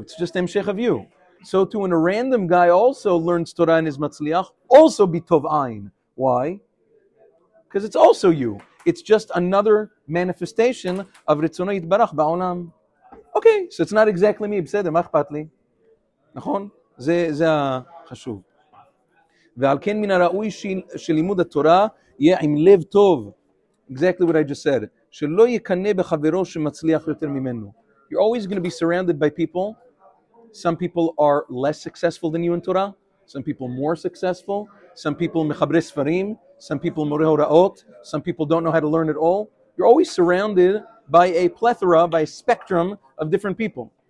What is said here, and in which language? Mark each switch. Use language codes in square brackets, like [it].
[en] It's just emshech of you. So to when a random guy also learns Torah and is matzliach, also be tov ayin. Why? Because it's also you. It's just another manifestation of [he] Ritzono Yitbarach ba'olam. [en] Okay, so it's not exactly me. [he] Bseder, machpat li. Nachon? זה החשוב. ועל כן מן הראוי שלימוד התורה יהיה עם לב טוב. [en] Exactly what I just said. [he] שלא יקנה בחברו שמצליח יותר ממנו. [en] You're always going to be surrounded by people. Some people are less successful than you in Torah. Some people more successful. Some people [he] מחברי ספרים. [en] Some people [he] מורה הוראות. [en] Some people don't know how to learn at all. You're always surrounded by a plethora, by a spectrum of different people.